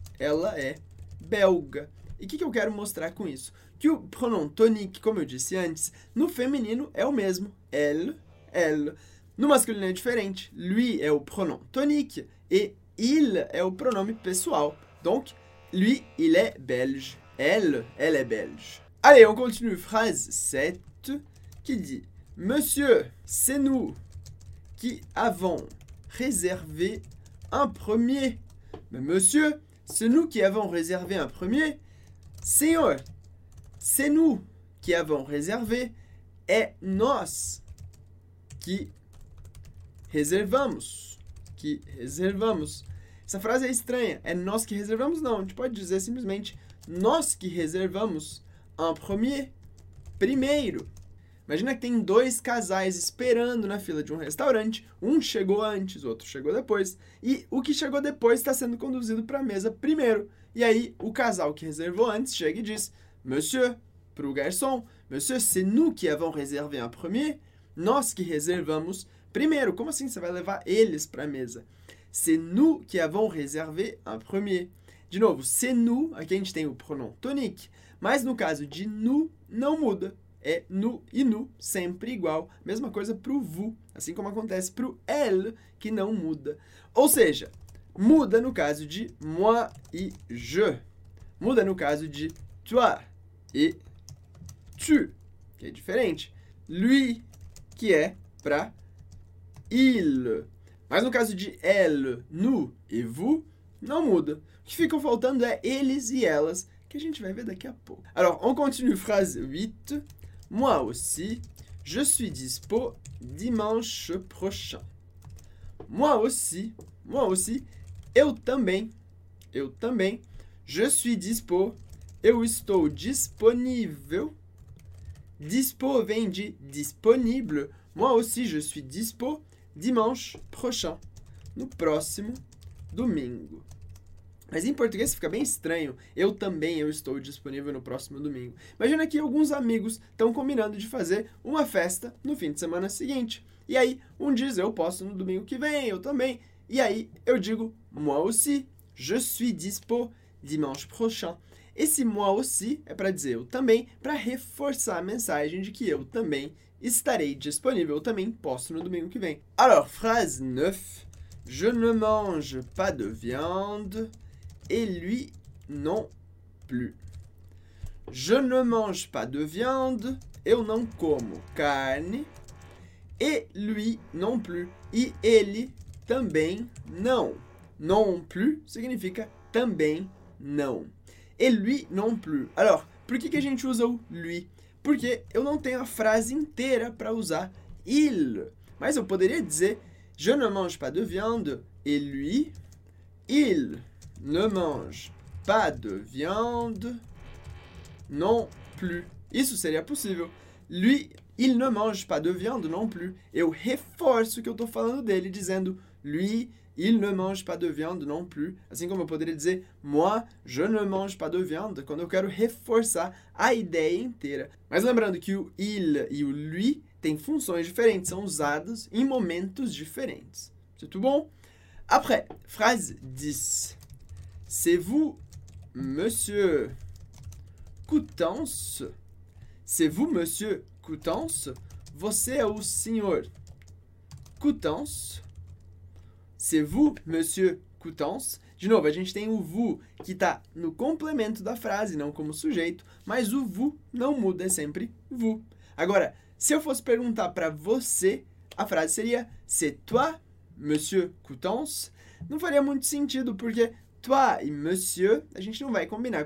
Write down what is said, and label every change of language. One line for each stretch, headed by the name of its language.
Portuguese: Ela é belga. E o que eu quero mostrar com isso? Que o pronome tonique, como eu disse antes, no feminino é o mesmo. Elle, elle. No masculino é diferente. Lui é o pronome tonique e il é o pronome pessoal.
French: Donc, lui, il est belge. Elle, elle est belge. Allez, on continue. Phrase 7 qui dit: Monsieur, c'est nous qui avons réservé un premier. Mais monsieur, c'est nous qui avons réservé un premier. Senhor, c'est nous qui avons réservé.
Portuguese: É nós que reservamos. Que reservamos. Essa frase é estranha. É nós que reservamos? Não. A gente pode dizer simplesmente nós que reservamos
French: en premier.
Portuguese: Primeiro. Imagina que tem dois casais esperando na fila de um restaurante. Um chegou antes, o outro chegou depois. E o que chegou depois está sendo conduzido para a mesa primeiro. E aí o casal que reservou antes chega e diz: Monsieur, pro garçom,
French: Monsieur, c'est nous qui avons réservé en premier.
Portuguese: Nós que reservamos primeiro. Como assim você vai levar eles para a mesa?
French: C'est nous qui avons réservé en premier.
Portuguese: De novo,
French: c'est nous,
Portuguese: aqui a gente tem o pronom tonique, mas no caso de nous, não muda. É nous e nous, sempre igual. Mesma coisa para o vous, assim como acontece para o elle, que não muda. Ou seja, muda no caso de moi e je. Muda no caso de toi e tu, que é diferente. Lui, que é para il. Mas no caso de elle, nous e vous, não muda, que ficam faltando é eles e elas, que a gente vai ver daqui a pouco.
French: Alors, on continue phrase 8. Moi aussi, je suis dispo dimanche prochain. Moi aussi,
Portuguese: eu também,
French: je suis dispo,
Portuguese: eu estou disponível. Dispo vem de disponible.
French: Moi aussi, je suis dispo dimanche prochain.
Portuguese: No próximo domingo. Mas em português fica bem estranho. Eu também, eu estou disponível no próximo domingo. Imagina que alguns amigos estão combinando de fazer uma festa no fim de semana seguinte. E aí, um diz, eu posso no domingo que vem, eu também. E aí, eu digo,
French: moi aussi, je suis dispo dimanche prochain.
Portuguese: Esse
French: moi aussi
Portuguese: é para dizer eu também, para reforçar a mensagem de que eu também estarei disponível, eu também posso no domingo que vem.
French: Alors, phrase 9. Je ne mange pas de viande et lui non plus. Je ne mange pas de viande,
Portuguese: eu não como carne,
French: et lui non plus.
Portuguese: E ele também não. Non plus significa também não.
French: Et lui non plus.
Portuguese: Alors, por que que a gente usa o lui? Porque eu não tenho a frase inteira para usar il. Mas eu poderia dizer
French: je ne mange pas de viande et lui, il ne mange pas de viande non plus.
Portuguese: Isso seria possível.
French: Lui, il ne mange pas de viande non plus.
Portuguese: Eu reforço que eu estou falando dele, dizendo
French: lui, il ne mange pas de viande non plus.
Portuguese: Assim como eu poderia dizer
French: moi, je ne mange pas de viande,
Portuguese: quando eu quero reforçar a ideia inteira. Mas lembrando que o il e o lui têm funções diferentes, são usados em momentos diferentes.
French: C'est tout bon? Après, phrase 10. C'est vous, monsieur Coutances? C'est vous, monsieur Coutances?
Portuguese: Você é o senhor Coutances?
French: C'est vous, monsieur Coutances?
Portuguese: De novo, a gente tem o vous que está no complemento da frase, não como sujeito, mas o vous não muda, é sempre vous. Agora, se eu fosse perguntar para você, a frase seria
French: c'est toi, monsieur Coutances?
Portuguese: Não faria muito sentido, porque toi e monsieur, a gente não vai combinar.